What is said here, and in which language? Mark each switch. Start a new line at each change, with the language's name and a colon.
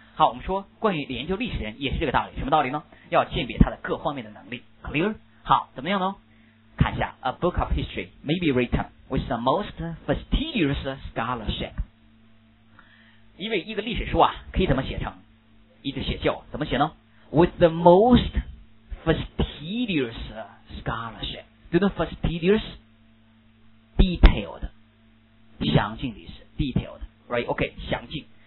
Chinese: 好，我们说关于研究历史人也是这个道理。什么道理呢？要鉴别他的各方面的能力。
English: clear？
Chinese: 好，怎么样呢？
English: 看一下 ，A book of history may be written with the most fastidious scholarship。
Chinese: 因为一个历史书啊，可以怎么写成？一个写教怎么写呢 ？
English: With the most fastidious scholarship，
Chinese: 就那
English: fastidious detailed
Chinese: 详尽的意思 ，
English: detailed right OK
Chinese: 详尽。